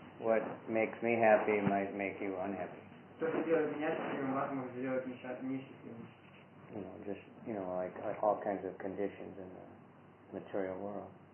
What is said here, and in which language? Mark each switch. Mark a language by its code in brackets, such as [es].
[en] What makes me happy might make you unhappy. [ru] То, что делает меня счастливым, может сделать несчастливым. [en] You know, just, you know, like all kinds of conditions in the material world.